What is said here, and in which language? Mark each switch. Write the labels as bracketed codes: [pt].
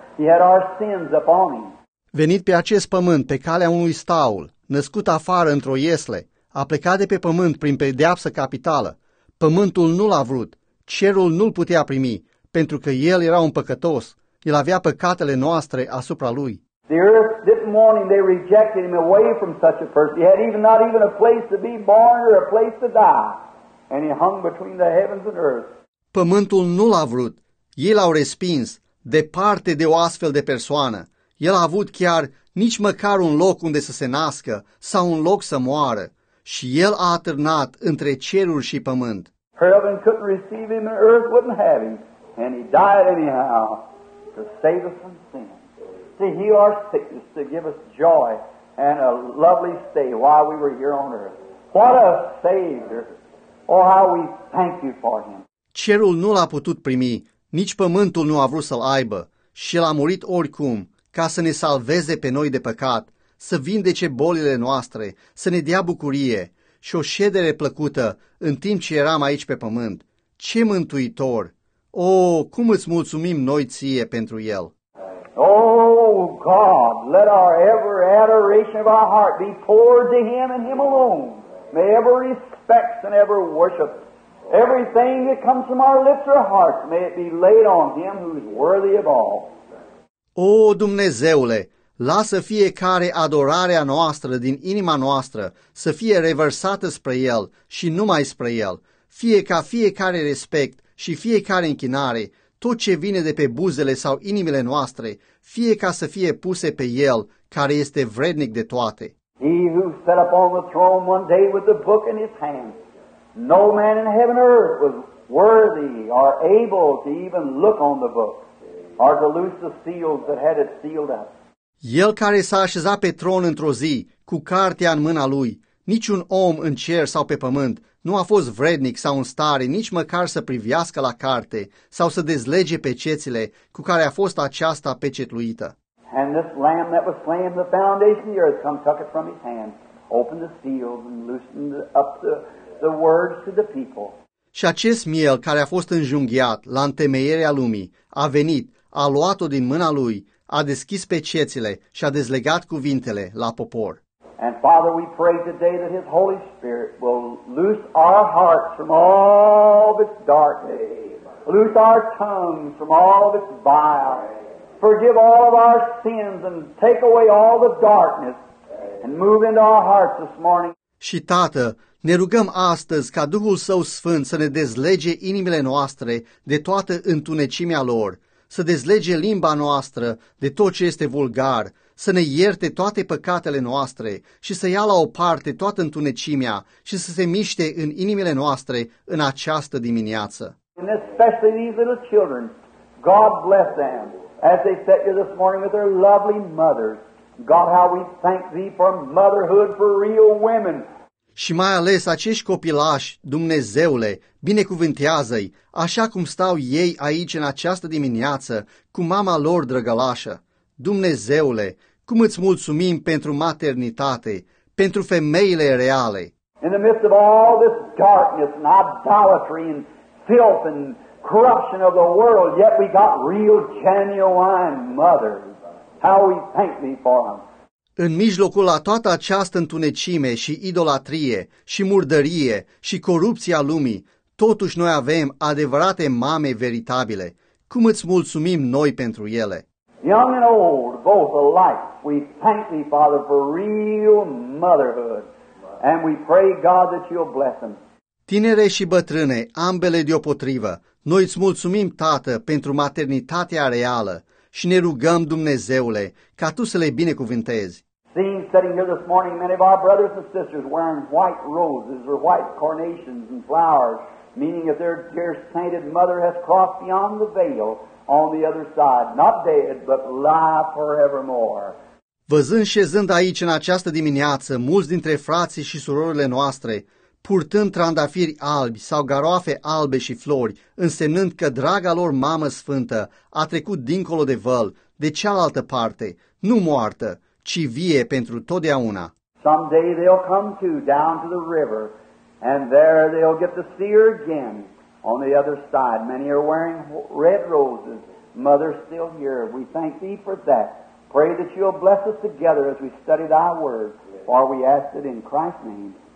[en] He had our sins upon him. [ro] Venit pe acest pământ, pe calea unui staul, născut afară într-o iesle, a plecat de pe pământ prin pedeapsă capitală. Pământul nu l-a vrut, cerul nu-l putea primi, pentru că el era un păcătos, el avea păcatele noastre asupra lui. [en] The earth didn't mourn him, they rejected him away from such a person. He had even not even a place to be born or a place to die. And he hung between the heavens and earth. [ro] Pământul nu l-a vrut, ei l-au respins, departe de o astfel de persoană. El a avut chiar nici măcar un loc unde să se nască sau un loc să moară și el a atârnat între cerul și pământ. [en] Heaven couldn't receive him and earth wouldn't have him, and he died anyhow to save us from sin, to heal our sickness, to give us joy and a lovely stay while we were here on earth. What a Savior! Oh, how we thank you for him! [ro] Cerul nu l-a putut primi, nici pământul nu a vrut să-l aibă și el a murit oricum, ca să ne salveze pe noi de păcat, să vindece bolile noastre, să ne dea bucurie și o ședere plăcută în timp ce eram aici pe pământ. Ce mântuitor! O, cum îți mulțumim noi ție pentru el! [en] Oh, God, let our ever adoration of our heart be poured to him and him alone. May every respect and every worship, everything that comes from our lips or hearts, may it be laid on him who is worthy of all. [ro] O, Dumnezeule, lasă fiecare adorarea noastră din inima noastră să fie revărsată spre El și numai spre El, fie ca fiecare respect și fiecare închinare, tot ce vine de pe buzele sau inimile noastre, fie ca să fie puse pe El, care este vrednic de toate. [en] He who sat upon the throne one day with the book in his hand, no man in heaven or earth was worthy or able to even look on the book. Or to loose the seals that had it sealed up. [ro] El care s-a așezat pe tron într-o zi, cu cartea în mâna lui, niciun om în cer sau pe pământ nu a fost vrednic sau în stare nici măcar să privească la carte sau să dezlege pecețile cu care a fost aceasta pecetluită. [en] And this lamb that was slain the foundation of the earth come took it from his hand, opened the seals and loosened up the words to the people. [ro] Și acest miel care a fost înjunghiat la întemeierea lumii a venit, a luat-o din mâna lui, a deschis pecețile și a dezlegat cuvintele la popor. [en] And Father, we pray today that His Holy Spirit will loose our hearts from all of its darkness, loose our tongues from all of its vile, forgive all of our sins and take away all the darkness and move into our hearts this morning. [ro] Și Tată, ne rugăm astăzi ca Duhul Său Sfânt să ne dezlege inimile noastre de toată întunecimea lor, să dezlege limba noastră de tot ce este vulgar, să ne ierte toate păcatele noastre și să ia la o parte toată întunecimea și să se miște în inimile noastre în această dimineață. [en] And especially these little children, God bless them as they set you this morning with their lovely mothers. God, how we thank thee for motherhood for real women. [ro] Și mai ales acești copilași, Dumnezeule, binecuvântează-i, așa cum stau ei aici în această dimineață cu mama lor drăgălașă. Dumnezeule, cum îți mulțumim pentru maternitate, pentru femeile reale. [en] In the midst of all this darkness and idolatry and filth and corruption of the world, yet we got real genuine mothers. How we thank thee for them. [ro] În mijlocul la toată această întunecime și idolatrie și murdărie și corupția lumii, totuși noi avem adevărate mame veritabile. Cum îți mulțumim noi pentru ele? [en] Young and old, both alike, we thank thee, Father, for real motherhood. And we pray, God, that you'll bless them. [ro] Tinere și bătrâne, ambele deopotrivă, noi îți mulțumim, Tată, pentru maternitatea reală. Și ne rugăm, Dumnezeule, ca Tu să le binecuvântezi. [en] Seeing sitting here this morning many of our brothers and sisters wearing white roses or white carnations and flowers, meaning that their dear sainted mother has crossed beyond the veil on the other side, not dead, but live forevermore. [ro] Văzând șezând aici în această dimineață mulți dintre frații și surorile noastre, purtând trandafiri albi sau garoafe albe și flori, însemnând că draga lor mamă sfântă a trecut dincolo de văl, de cealaltă parte, nu moartă, ci vie pentru totdeauna. [en] Someday they'll come to down to the river, and there they'll get to see her again on the other side. Many are wearing red roses. Mother's still here. We thank thee for that. Pray that you'll bless us together as we study thy word, for we ask it in Christ's name.